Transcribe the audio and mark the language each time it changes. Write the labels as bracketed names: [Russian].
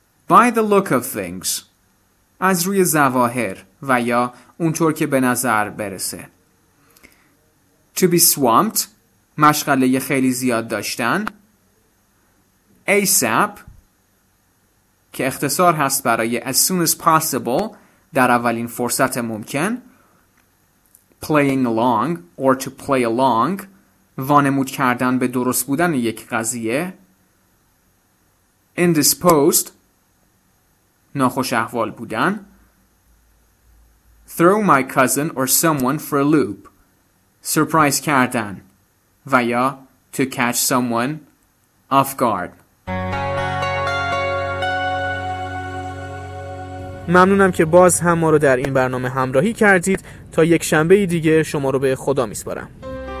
[English] By the look of things، [Persian] از روی ظواهر و یا اونطور که به نظر برسه. [English] To be swamped، [Persian] مشغله خیلی زیاد داشتن. ASAP که اختصار هست برای [English] as soon as possible، [Persian] در اولین فرصت ممکن. [English] playing along or to play along [Persian] وانمود کردن به درست بودن یک قضیه [English] indisposed [Persian] ناخوش احوال بودن [English] throw my cousin or someone for a loop surprise [Persian] کردن و یا [English] to catch someone off guard. [Persian] ممنونم که باز هم ما رو در این برنامه همراهی کردید. تا یک شنبه دیگه شما رو به خدا میسپارم.